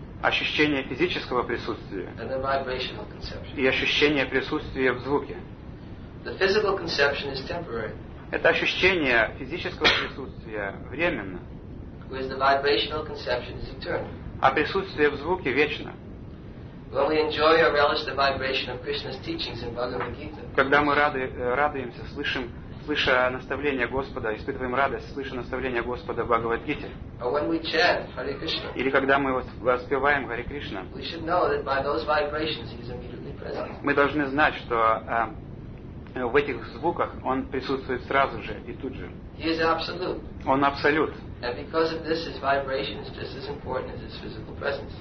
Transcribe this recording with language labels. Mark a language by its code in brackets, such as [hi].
[ru] Ощущение физического присутствия. [en] And the vibrational conception. [ru] И ощущение присутствия в звуке. [en] The physical conception is temporary. [ru] Это ощущение физического присутствия временно. [en] Whereas the vibrational conception is eternal. [ru] А присутствие в звуке вечно. [en] When we enjoy or relish the vibration of Krishna's teachings in Bhagavad Gita. [ru] Когда мы радуемся, слыша наставления Господа, испытываем радость, слыша наставления Господа в Бхагавад Гите. [en] Or when we chant Hare Krishna. [ru] Или когда мы воспеваем Hare Krishna. [en] We should know that by those vibrations he is immediately present. [ru] Мы должны знать, что в этих звуках он присутствует сразу же и тут же. [en] He is absolute. [ru] Он абсолют. [en] And because of this, his vibration is just as important as his physical presence.